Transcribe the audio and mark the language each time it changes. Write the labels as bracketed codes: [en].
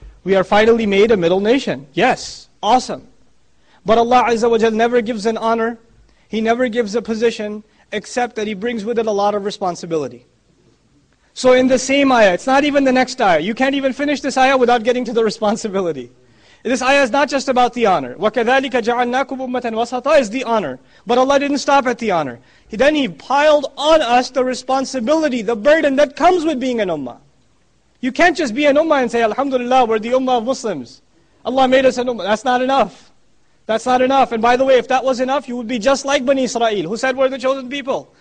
[en] We are finally made a middle nation. Yes, awesome. But Allah Azza wa Jal never gives an honor. He never gives a position, except that He brings with it a lot of responsibility. So in the same ayah, it's not even the next ayah. You can't even finish this ayah without getting to the responsibility. This ayah is not just about the honor. [ar] وَكَذَلِكَ جَعَلْنَاكُمْ أُمَّةً وَسَطًا [en] is the honor. But Allah didn't stop at the honor. Then He piled on us the responsibility, the burden that comes with being an ummah. You can't just be an ummah and say, Alhamdulillah, we're the ummah of Muslims. Allah made us an ummah. That's not enough. That's not enough. And by the way, if that was enough, you would be just like Bani Israel, who said we're the chosen people.